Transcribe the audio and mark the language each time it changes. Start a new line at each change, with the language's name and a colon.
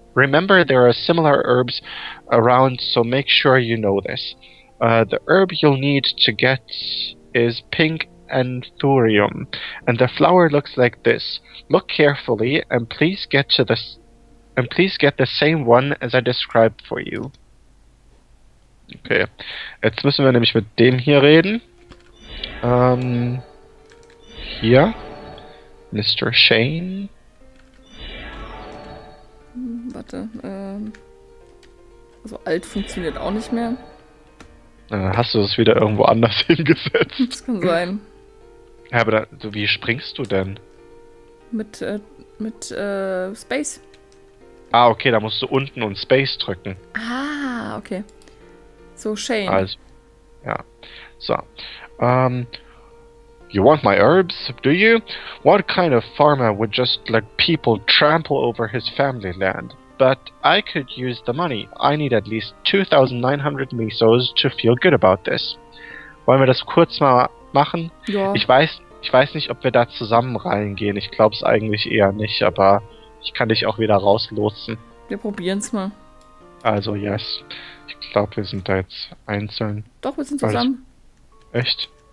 English: Remember, there are similar herbs around, so make sure you know this. The herb you'll need to get is pink anthurium, and the flower looks like this. Look carefully, and please get to this, and please get the same one as I described for you.
German: Okay, jetzt müssen wir nämlich mit dem hier reden. Hier. Mr. Shane? Warte, also alt funktioniert auch nicht mehr. Hast du das wieder irgendwo anders hingesetzt? Das kann sein. Ja, aber wie springst du denn? Mit Space. Ah, okay, da musst du unten und Space drücken. Ah, okay. So, Shane. Also, ja.
English: So, you want my herbs, do you? What kind of farmer would just let people trample over his family land? But I could use the money. I need at least 2900 mesos to feel good about this.
German: Wollen wir das kurz mal machen? Ja. Ich weiß nicht, ob wir da zusammen reingehen. Ich glaube es eigentlich eher nicht, aber ich kann dich auch wieder rauslotsen. Wir probieren es mal. Also, yes. Ich glaube, wir sind da jetzt einzeln. Doch, wir sind zusammen. Echt?